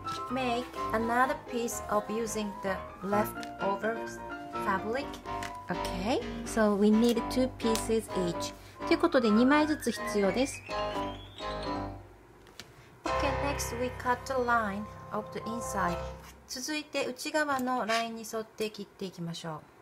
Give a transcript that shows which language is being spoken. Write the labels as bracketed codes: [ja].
[en] Make another piece of using the leftover fabric. Okay, so we need two pieces each. [ja] ということで2枚ずつ必要です。 [en] Okay, next we cut the line of the inside. [ja] 続いて内側のラインに沿って切っていきましょう。